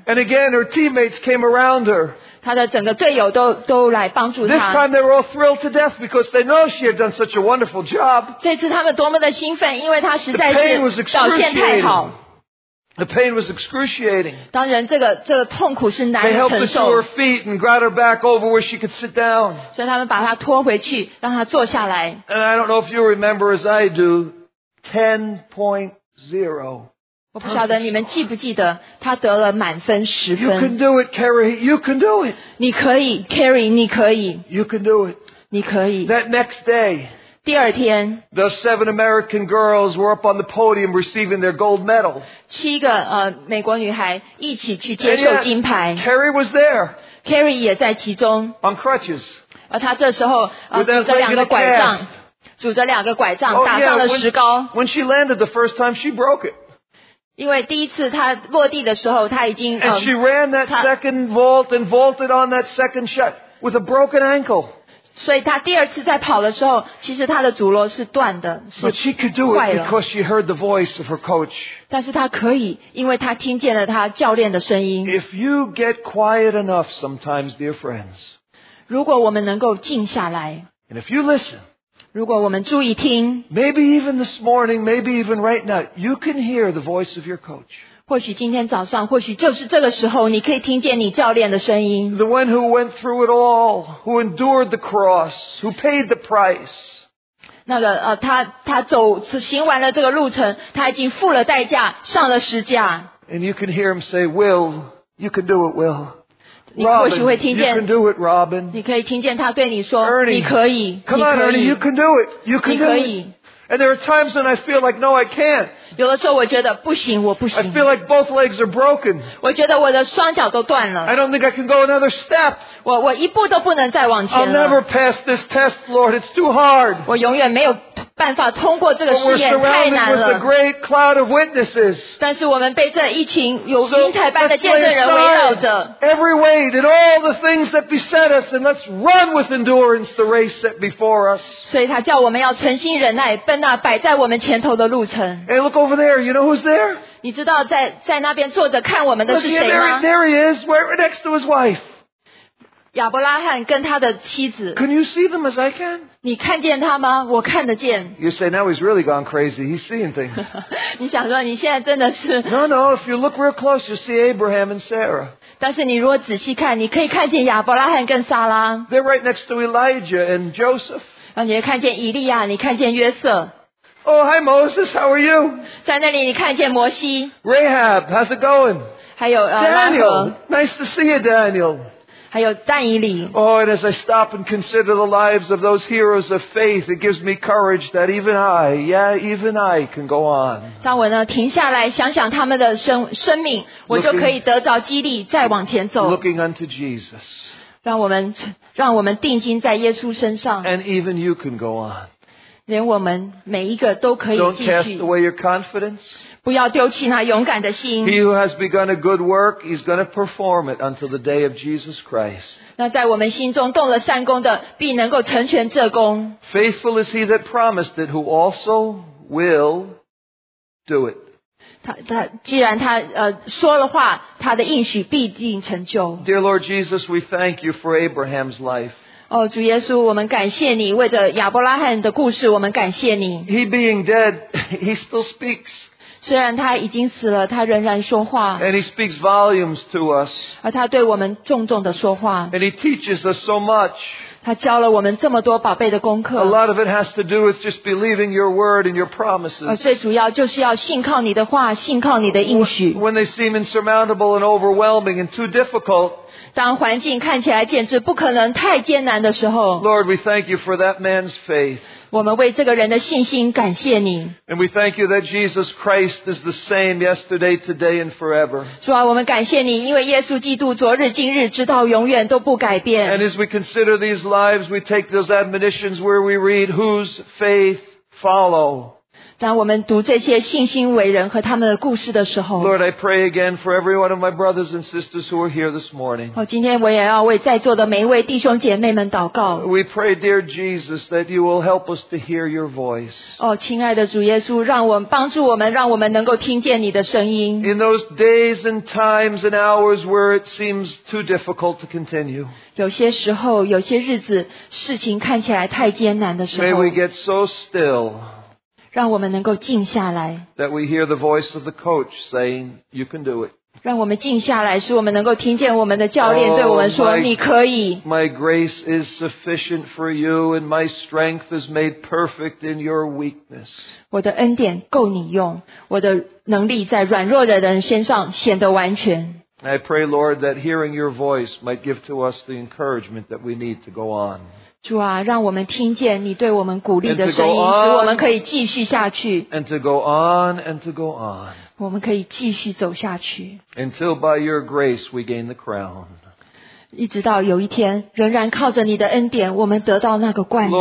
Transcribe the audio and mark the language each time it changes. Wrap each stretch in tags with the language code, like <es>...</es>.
<en>And again, her teammates came around her.</en> <zh>他的整个队友都来帮助他。</zh> <en>This time they were all thrilled to death because they know she had done such a wonderful job.</en> <zh>这次他们多么的兴奋，因为他实在是表现太好。</zh> <en>The pain was excruciating.</en> <zh>当然，这个痛苦是难承受。</zh> <en>They helped her to her feet and got her back over where she could sit down.</en> <zh>所以他们把她拖回去，让她坐下来。</zh> <en>And I don't know if you remember as I do, 10.0.</en> <zh>我不晓得你们记不记得，他得了满分十分。</zh> <en>You can do it, Carrie. You can do it.</en> <zh>你可以 ，Carrie， 你可以。</zh> <en>You can do it.</en> <zh>你可以。</zh> <en>That next day.</en> <zh>第二天。</zh> <en>Those 7 American girls were up on the podium receiving their gold medal.</en> <zh>七个美国女孩一起去接受金牌。</zh> <en>Carrie was there.</en> <zh>Carrie 也在其中。</zh> <en>On crutches.</en> <zh>而她这时候拄着两个拐杖，拄着两个拐杖打上了石膏。</zh> <en>When she landed the first time, she broke it.</en> <zh>因为第一次他落地的时候他已经</zh> <en>And she ran that second vault and vaulted on that second shot with a broken ankle.</en> <zh>所以他第二次在跑的时候其实他的足罗是断的是坏了</zh> <en>But she could do it because she heard the voice of her coach.</en> <zh>但是他可以因为他听见了他教练的声音</zh> <en>If you get quiet enough sometimes, dear friends,</en> <zh>如果我们能够静下来</zh> <en>And if you listen,</en> <zh>如果我们注意听</zh> <en>maybe even this morning, maybe even right now, you can hear the voice of your coach.</en> <zh>或许今天早上，或许就是这个时候，你可以听见你教练的声音。</zh> <en>The one who went through it all, who endured the cross, who paid the price.</en> <zh>那个他走行完了这个路程，他已经付了代价，上了十字架。</zh> <en>And you can hear him say, "Will, you can do it, Will." Robin, you can do it, Robin.</en> <zh>你可以听见他对你说</zh> <en>Ernie,</en> <zh>你可以</zh> <en>Come on, Ernie, you can do it. You can do it. And there are times when I feel like, no, I can't.</en> <zh>有的时候我觉得不行我不行</zh> <en>I feel like both legs are broken.</en> <zh>我觉得我的双脚都断了</zh> <en>I don't think I can go another step.</en> <zh>我一步都不能再往前了</zh> <en>I'll never pass this test, Lord. It's too hard.</en> <zh>我永远没有办法通过这个试验太难了</zh> <en>But we're surrounded with a great cloud of witnesses.</en> <zh>但是我们被这一群有云彩般的见证人围绕着</zh> <en>Every weight and all the things that beset us and let's run with endurance the race set before us.</en> <zh>所以他叫我们要存心忍耐奔那摆在我们前头的路程</zh> <en>Hey, look over there. You know who's there?</en> <zh>你知道在那边坐着看我们的是谁吗</zh> <en>Look, yeah, there he is, right next to his wife.</en> <zh>亚伯拉罕跟他的妻子</zh> <en>Can you see them as I can?</en> <zh>你看见他吗我看得见</zh> <en>You say now he's really gone crazy He's seeing things</en> <zh>你想说你现在真的是</zh> <en>No, no, if you look real close You see Abraham and Sarah</en> <zh>但是你如果仔细看你可以看见亚伯拉罕跟撒拉</zh> <en>They're right next to Elijah and Joseph</en> <zh>然后你看见以利亚你看见约瑟</zh> <en>Oh, hi Moses, how are you?</en> <zh>在那里你看见摩西</zh> <en>Rahab, how's it going?</en> <zh>还有</zh> <en>Daniel, nice to see you, Daniel</en> <zh>还有但以理</zh> <en>Oh, and as I stop and consider the lives of those heroes of faith, it gives me courage that even I, yeah, even I can go on.</en> <zh>当我呢停下来想想他们的生命，我就可以得着激励，再往前走。</zh> <en>Looking unto Jesus.</en> <zh>让我们定睛在耶稣身上。</zh> <en>And even you can go on.</en> <zh>连我们每一个都可以继续。</zh> <en>Don't cast away your confidence.</en> <zh>不要丢弃那勇敢的心。</zh> <en>He who has begun a good work, he's going to perform it until the day of Jesus Christ.</en> <zh>那在我们心中动了善功的，必能够成全这功。</zh> <en>Faithful is he that promised it, who also will do it.</en> <zh>他既然他说了话，他的应许必定成就。</zh> <en>Dear Lord Jesus, we thank you for Abraham's life.</en> <zh>哦，主耶稣，我们感谢你，为着亚伯拉罕的故事，我们感谢你。</zh> <en>He being dead, he still speaks.</en> <zh>虽然他已经死了他仍然说话</zh> <en>And he speaks volumes to us</en> <zh>而他对我们重重的说话</zh> <en>And he teaches us so much</en> <zh>他教了我们这么多宝贝的功课</zh> <en>A lot of it has to do with just believing your word and your promises</en> <zh>而最主要就是要信靠你的话信靠你的应许</zh> <en>When they seem insurmountable and overwhelming and too difficult</en> <zh>当环境看起来简直不可能太艰难的时候</zh> <en>Lord we thank you for that man's faith</en> <zh>我们为这个人的信心感谢你。</zh> <en>And we thank you that Jesus Christ is the same yesterday, today, and forever.</en> <zh>主啊，我们感谢你，因为耶稣基督昨日、今日、直到永远都不改变。</zh> <en>And as we consider these lives, we take those admonitions where we read, "Whose faith follow?"</en> <zh>当我们读这些信心伟人和他们的故事的时候</zh> <en>，Lord, I pray again for every one of my brothers and sisters who are here this morning.</en> <zh>哦，今天我也要为在座的每一位弟兄姐妹们祷告。</zh> <en>We pray, dear Jesus, that you will help us to hear your voice.</en> <zh>哦，亲爱的主耶稣，让我们帮助我们，让我们能够听见你的声音。</zh> <en>In those days and times and hours where it seems too difficult to continue.</en> <zh>有些时候，有些日子，事情看起来太艰难的时候。</zh> <en>May we get so still.</en> <zh>让我们能够静下来。</zh> <en>That we hear the voice of the coach saying, "You can do it."</en> <zh>让我们静下来，使我们能够听见我们的教练对我们说，</zh> <en>oh, my,</en> <zh>你可以。</zh> <en>My grace is sufficient for you, and my strength is made perfect in your weakness.</en> <zh>我的恩典够你用，我的能力在软弱的人身上显得完全。</zh> <en>I pray, Lord, that hearing your voice might give to us the encouragement that we need to go on.</en> <zh>主啊，让我们听见你对我们鼓励的声音，使我们可以继续下去。</zh> <en>And to go on and to go on.</en> <zh>我们可以继续走下去。</zh> <en>Until by your grace we gain the crown.</en> <zh>一直到有一天，仍然靠着你的恩典，我们得到那个冠冕。</zh>